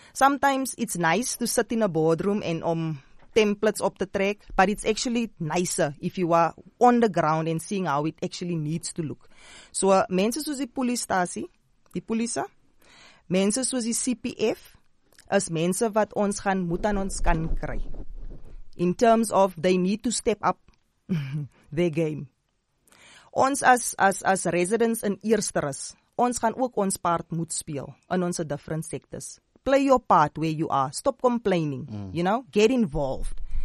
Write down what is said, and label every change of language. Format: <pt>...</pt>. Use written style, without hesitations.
<en>Sometimes it's nice to sit in a boardroom</en> <af>en om templates op te trek,</af> <en>but it's actually nicer if you are on the ground and seeing how it actually needs to look.</en> <af>So, mense soos die polisstasie, die polisse, mense soos die CPF, is mense wat ons gaan moet aan ons kan kry.</af> <en>In terms of, they need to step up their game.</en> <af>Ons as residents in Eersteris, ons gaan ook ons part moet speel in ons different sectors.</af> <en>Play your part where you are. Stop complaining. You know, get involved.</en>